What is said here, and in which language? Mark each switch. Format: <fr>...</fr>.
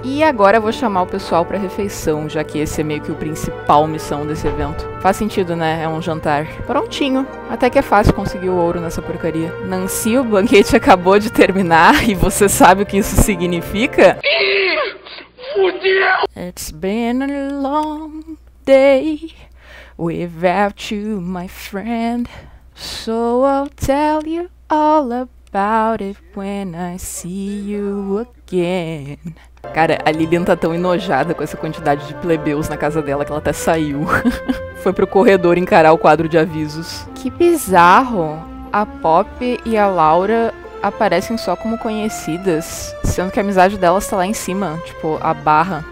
<pt>E agora eu vou chamar o pessoal pra refeição, já que esse é meio que o principal missão desse evento. Faz sentido, né? É um jantar. Prontinho. Até que é fácil conseguir o ouro nessa porcaria. Nancy, o banquete acabou de terminar e você sabe o que isso significa?</pt> <en>It's been a long day without you, my friend. So I'll tell you all about it when I see you again.</en> <pt>Cara, a Lillian tá tão enojada com essa quantidade de plebeus na casa dela que ela até saiu. Foi pro corredor encarar o quadro de avisos. Que bizarro. A Pop e a Laura aparecem só como conhecidas, sendo que a amizade delas tá lá em cima, tipo, a barra.</pt>